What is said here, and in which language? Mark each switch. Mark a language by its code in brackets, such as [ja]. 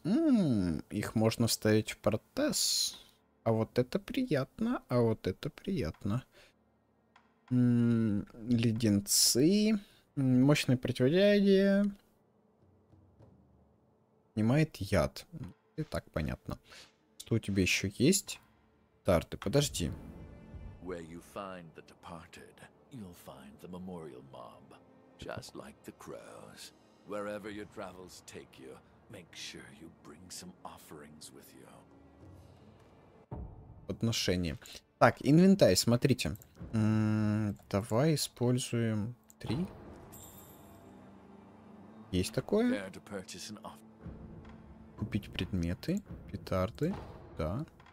[ru] А вот это приятно. Леденцы. Мощное противоядие. Снимает яд. И так понятно. Что у тебя еще есть? Петарды. Подожди. [en] Where you find the departed, you'll find the memorial mob. Just like the crows. Wherever your travels take you, make sure you bring some offerings with you. [ru] Подношение. Так, инвентарь, смотрите. Давай используем 3. Есть такое? Купить предметы, петарды, да.